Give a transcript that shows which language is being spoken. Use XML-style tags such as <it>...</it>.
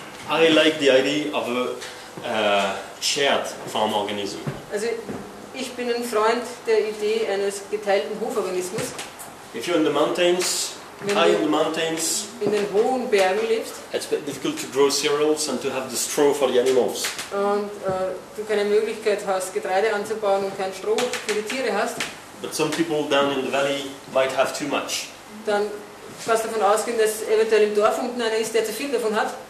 <en>I like the idea of a shared farm organism.</en> <de>Also, ich bin ein Freund der Idee eines geteilten Hoforganismus.</de> <en>If you're in the mountains, high in the mountains,</en> <de>in den hohen Bergen lebst,</de> <en>it's difficult to grow cereals and to have the straw for the animals.</en> <de>Und du keine Möglichkeit hast, Getreide anzubauen und kein Stroh für die Tiere hast.</de> <en>But some people down in the valley might have too much.</en> <de>Dann kannst du davon ausgehen, dass eventuell im Dorf unten einer ist, der zu viel davon hat.</de>